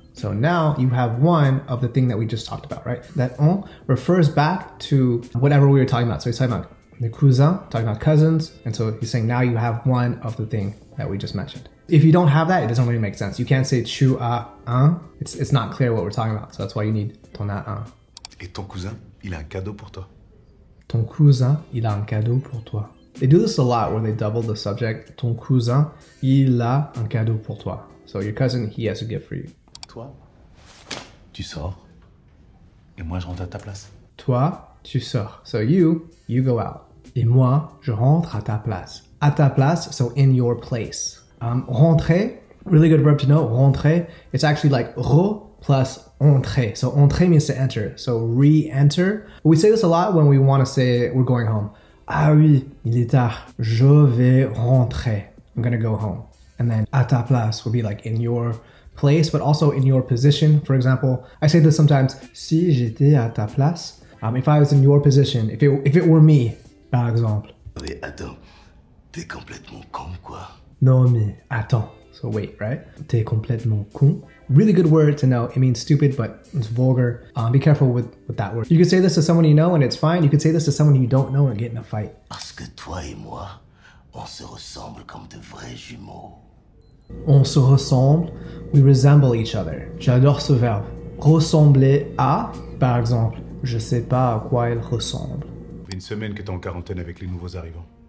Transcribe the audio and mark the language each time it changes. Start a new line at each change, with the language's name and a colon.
English: So now you have one of the thing that we just talked about, right? That on refers back to whatever we were talking about. So he's talking about
French: le cousin,
English: talking about cousins. And so he's saying now you have one of the thing that we just mentioned. If you don't have that, it doesn't really make sense. You can't say
French: tu as un.
English: It's not clear what we're talking about. So that's why you need
French: ton as un. Et ton cousin, il a un cadeau pour toi. Ton cousin, il a un cadeau pour toi.
English: They do this a lot where they double the subject.
French: Ton cousin, il a un cadeau pour toi.
English: So your cousin, he has a gift for you.
French: Toi, tu sors, et moi je rentre à ta place. Toi, tu sors.
English: So you go out.
French: Et moi, je rentre à ta place. À ta place,
English: so in your place. Rentrer, really good verb to know. Rentrer, it's actually like re plus entrer. So entrer means to enter. So re-enter. We say this a lot when we want to say we're going home.
French: Ah oui, il est tard. Je vais rentrer.
English: I'm gonna go home. And then
French: à ta place
English: would be like in your place, but also in your position. For example, I say this sometimes.
French: Si j'étais à ta place,
English: if I was in your position, if it were me,
French: par exemple. Mais attends, t'es complètement con quoi. Non mais attends.
English: So wait, right?
French: T'es complètement con.
English: Really good word to know. It means stupid, but it's vulgar. Be careful with that word. You could say this to someone you know and it's fine. You could say this to someone you don't know and get in a fight.
French: Parce que toi et moi, on se ressemble comme de vrais jumeaux. On se ressemble,
English: we resemble each other.
French: J'adore ce verbe. Ressembler à, par exemple, je sais pas à quoi il ressemble. Ça fait une semaine que t'es en quarantaine avec les nouveaux arrivants.